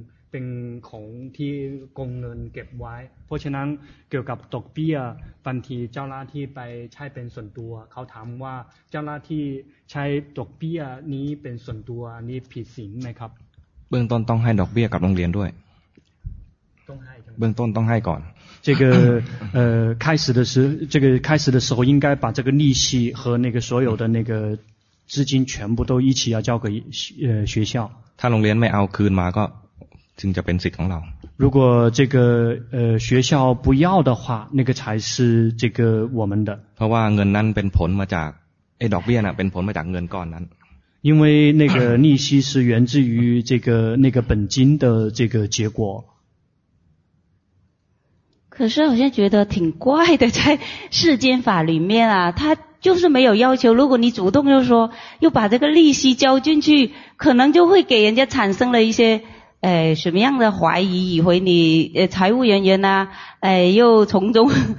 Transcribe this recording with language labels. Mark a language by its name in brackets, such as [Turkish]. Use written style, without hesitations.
[Thai] เป็นของที่กองเงินเก็บไว้เพราะฉะนั้นเกี่ยวกับดอกเบี้ยบางทีเจ้าหน้าที่ไปใช้เป็นส่วนตัวเขาถามว่าเจ้าหน้าที่ใช้ดอกเบี้ยนี้เป็นส่วนตัวนี้ผิดศีลไหมครับ เบื้องต้นต้องให้ดอกเบี้ยกับโรงเรียนด้วย ต้องให้ เบื้องต้นต้องให้ก่อน [Chinese] 这个开始的时这个开始的时候应该把这个利息和那个所有的那个资金全部都一起要交给学校 [Thai] ถ้าโรงเรียนไม่เอาคืนมาก็จึงจะเป็นสิทธิ์ของเรา [Chinese] 如果这个学校不要的话那个才是这个我们的 [Thai] เพราะว่าเงินนั้นเป็นผลมาจากดอกเบี้ยน่ะเป็นผลมาจากเงินก้อนนั้น [Chinese] 因为那个利息是源自于这个那个本金的这个结果可是好像觉得挺怪的在世间法里面啊他就是没有要求如果你主动又说又把这个利息交进去可能就会给人家产生了一些什么样的怀疑以为你财务人员啊又从中